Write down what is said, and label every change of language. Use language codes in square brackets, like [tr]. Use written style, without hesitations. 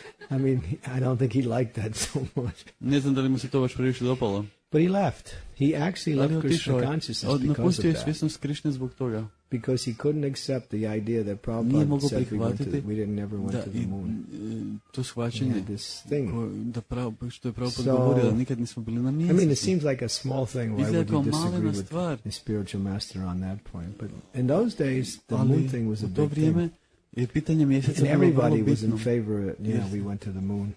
[en] I mean, I don't think he liked that so much. [hr] Ne znam da li mu se to baš previše dopalo. [en] But he left. He actually left Krishna consciousness because of that. Because he couldn't accept the idea that Prabhupada said we never went to the moon. [hr] To shvaćenje, [en] he had this thing. [hr] Što je Prabhupada govorio, nikad nismo bili na mjesecu. [en] I mean, it seems like a small thing. Why would you disagree with the spiritual master on that point? But in those days, the moon thing was a big [hr] vrijeme, [en] thing. [hr] I pitanje mjeseca [en] and everybody was in favor of, you know, we went to the moon.